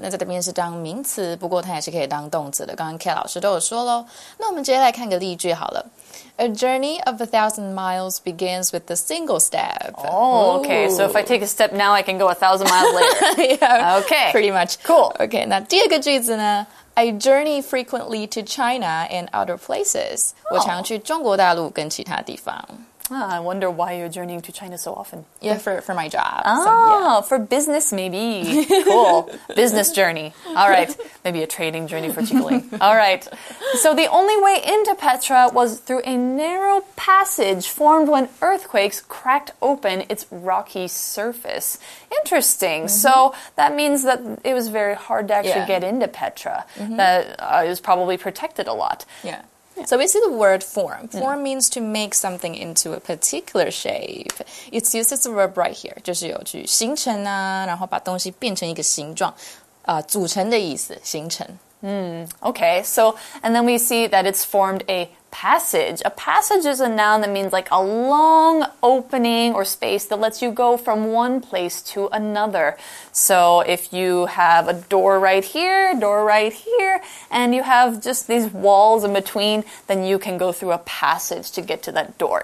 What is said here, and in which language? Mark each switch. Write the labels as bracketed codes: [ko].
[zh] 那在这边是当名词，不过它也是可以当动词的。刚刚 K 老师都有说咯。那我们直接来看个例句好了。 [en] A journey of 1,000 miles begins with a single step. Oh, okay. So if I take a step now, I can go 1,000 miles later. Yeah. Okay. Pretty much. Cool. [zh] Okay. 那第二个句子呢？ [en] I journey frequently to China and other places. [zh] 我常去中国大陆跟其他地方。 [en] Ah, I wonder why you're journeying to China so often. Yeah, for my job. For business maybe. Cool. Business journey. All right. Maybe a trading journey for Qigong. All right. So the only way into Petra was through a narrow passage formed when earthquakes cracked open its rocky surface. Interesting. Mm-hmm. So that means that it was very hard to actually get into Petra. Mm-hmm. That it was probably protected a lot. Yeah. So we see the word form. Form means to make something into a particular shape. It's used as a verb right here. [zh] 就是有去形成啊，然后把东西变成一个形状，组成的意思，形成。 [en] Okay, so, and then we see that it's formed a passage. A passage is a noun that means like a long opening or space that lets you go from one place to another. So if you have a door right here, and you have just these walls in between, then you can go through a passage to get to that door.